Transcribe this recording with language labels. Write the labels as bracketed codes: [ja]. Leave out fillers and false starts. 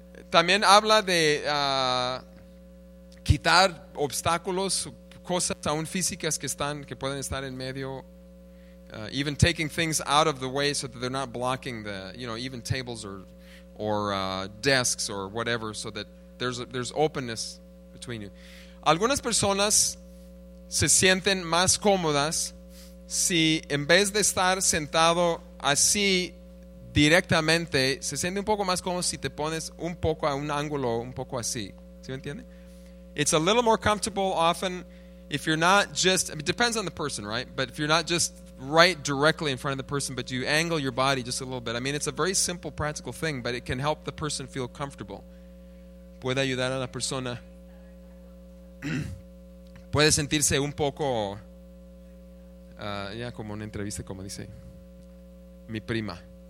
[es] También habla de quitar obstáculos, cosas aún físicas que pueden estar en medio. [en] Even taking things out of the way so that they're not blocking the, you know, even tables or desks or whatever, so that there's openness between you. [es] Algunas personas se sienten más cómodas si en vez de estar sentado así directamente, se siente un poco más como si te pones un poco a un ángulo, un poco así. ¿Sí me entiende? [en] It's a little more comfortable often if you're not just, it depends on the person, right? But if you're not just right directly in front of the person, but you angle your body just a little bit. I mean, it's a very simple, practical thing, but it can help the person feel comfortable. [es] Puede ayudar a la persona. Puede sentirse un poco, ya como una entrevista, como dice mi prima.